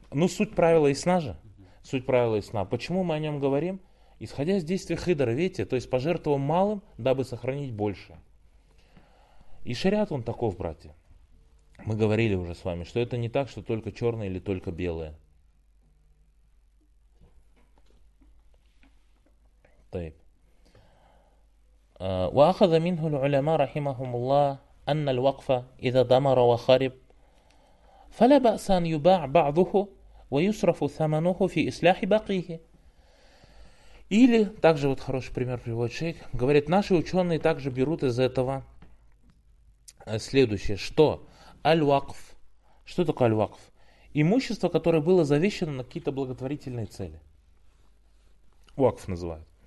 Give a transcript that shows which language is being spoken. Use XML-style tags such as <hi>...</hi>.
<ru>Ну, суть правила ясна же. Суть правила ясна. Почему мы о нем говорим? Исходя из действия Хидра, видите, то есть пожертвовал малым, дабы сохранить больше. И шариат он таков, братья. Мы говорили уже с вами, что это не так, что только черное или только белое.</ru> <ar>Тайп. وَأَخَذَ مِنْهُ الْعُلَمَاءُ رَحِمَهُمُ اللَّهُ أن الوقف إذا دمر وخرب فلا بأس أن يباع بعضه ويصرف ثمنه في إصلاح باقيه.</ar> <ru>Или, также вот хороший пример приводит шейх, говорит, наши ученые также берут из этого следующее, что аль-вакф, что такое аль-вакф? Имущество, которое было завещено на какие-то благотворительные цели. Вакф называют.</ru>